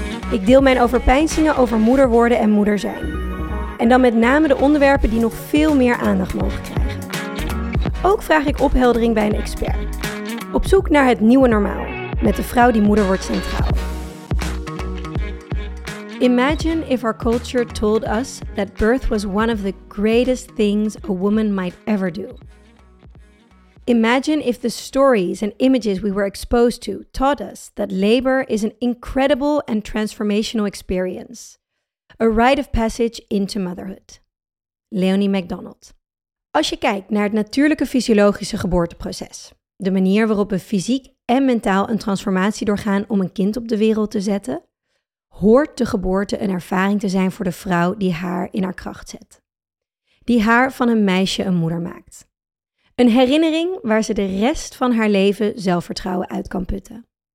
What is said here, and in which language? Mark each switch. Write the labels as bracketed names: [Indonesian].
[Dutch] Ik deel mijn overpeinzingen over moeder worden en moeder zijn. En dan met name de onderwerpen die nog veel meer aandacht mogen krijgen. Ook vraag ik opheldering bij een expert. Op zoek naar het nieuwe normaal, met de vrouw die moeder wordt centraal. [English] Imagine if our culture told us that birth was one of the greatest things a woman might ever do. Imagine if the stories and images we were exposed to taught us that labor is an incredible and transformational experience, a rite of passage into motherhood. Leonie MacDonald. [Dutch] Als je kijkt naar het natuurlijke fysiologische geboorteproces, de manier waarop we fysiek en mentaal een transformatie doorgaan om een kind op de wereld te zetten, hoort de geboorte een ervaring te zijn voor de vrouw die haar in haar kracht zet. Die haar van een meisje een moeder maakt. Een herinnering waar ze de rest van haar leven zelfvertrouwen uit kan putten.